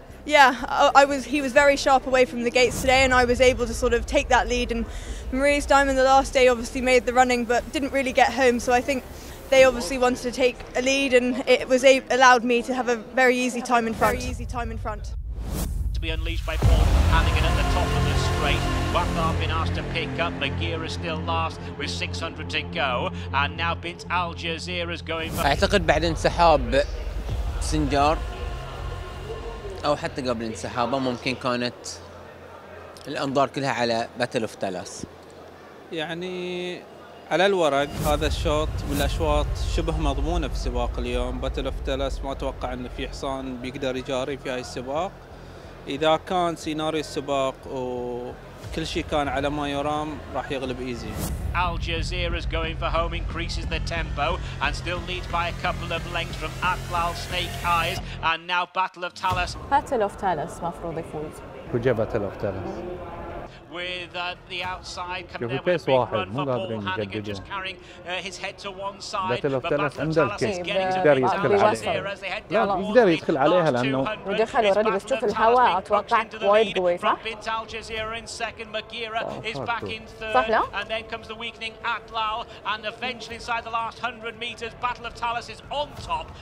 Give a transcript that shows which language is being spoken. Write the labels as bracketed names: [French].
[English] Yeah, he was very sharp away from the gates today and I was able to sort of take that lead and Maurice Diamond the last day obviously made the running but didn't really get home so I think they obviously wanted to take a lead and it was allowed me to have a very easy time in front. Very easy time in front. To be unleashed by Paul Hannigan at the top of the straight. Wathar been asked to pick up. Magira still last with 600 to go and now Bint Al Jazeera's going for... I think after [Arabic] انسحاب سنجار أو حتى قبل انسحابه ممكن كانت الأنظار كلها على باتل أوف تالاس. يعني على الورق هذا الشوط والأشواط شبه مضمونة في سباق اليوم باتل أوف تالاس ما أتوقع إنه في حصان بيقدر يجاري في هاي السباق. إذا كان سيناريو السباق وكل شيء كان على ما يرام راح يغلب إيزي. [English] Al Jazeera's going for home, increases the tempo and still leads by a couple of lengths from Atlal Snake Eyes and now Battle of Talas. [Arabic] Battle of Talas, مفروض يفوز. كوجه Battle of Talas. [English] With the outside coming there with a big run for Paul Hannigan just carrying his head to one side. [Arabic] Battle of Talas عنده الكيس يقدر يدخل عليها. لا يقدر يدخل عليها لأنه ودخل وردي بس شوف الهواء أتوقع وايد قوي صح؟ [English] From Bint Al Jazeera in second, Magira is back in third. [Arabic] صح لا؟ [English] And then comes the weakening Atlal and eventually inside the last 100 meters Battle of Talas is on top.